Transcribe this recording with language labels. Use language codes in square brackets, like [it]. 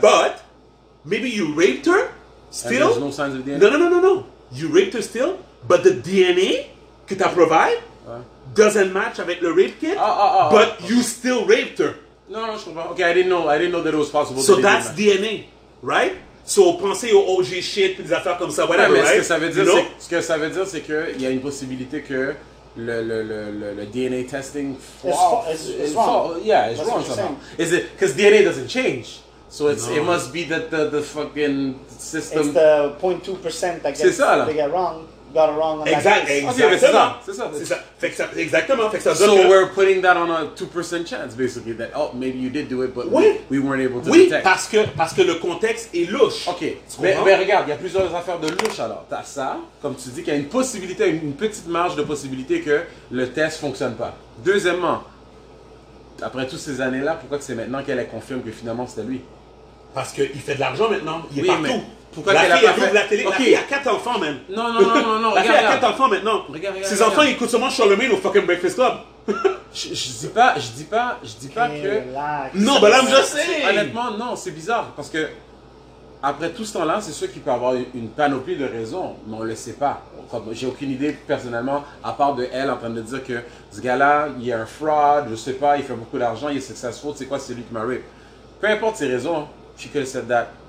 [en] But maybe you raped her still. And there's no signs of DNA. No. You raped her still, but the DNA [fr] que t'as [en] provide. Doesn't match with the rape kit, but you still raped her. [fr] No, je comprends. [en] Okay, I didn't know that it was possible. So that's DNA, right? [fr] So pensez au OG shit, des affaires comme ça, whatever, [en] right? [fr] Ce que ça veut dire, c'est qu'il y a une possibilité que le DNA testing [en] it's wrong somehow. Is it because DNA doesn't change? So it must be that the fucking system. It's the 0.2% that gets they get wrong. Got it wrong. Exactly. So we're putting that on a 2% chance, basically, that, oh, maybe you did do it, but we weren't able to detect. [fr] Oui, parce que le contexte est louche. [en] OK. [fr] Mais regarde, il y a plusieurs affaires de louche, alors. T'as ça, comme tu dis, qu'il y a une possibilité, une petite marge de possibilité que le test ne fonctionne pas. Deuxièmement, après toutes ces années-là, pourquoi que c'est maintenant qu'elle confirme que finalement, c'était lui? Parce qu'il fait de l'argent maintenant. Il est partout. Pourquoi la fille a pas fait... la télé. Okay. La fille a 4 enfants, man. Non. La fille a quatre enfants maintenant. Ses enfants, ils écoutent seulement Charlemagne au fucking Breakfast Club. je dis pas que. Relax. Non, madame, je sais. Honnêtement, non, c'est bizarre. Parce que, après tout ce temps-là, c'est sûr qu'il peut avoir une panoplie de raisons, mais on le sait pas. Comme, j'ai aucune idée, personnellement, à part de elle en train de dire que ce gars-là, il y a un fraud, je sais pas, il fait beaucoup d'argent, il est successful, tu sais quoi, c'est lui qui m'a rape. Peu importe ses raisons, [en] she could have said that.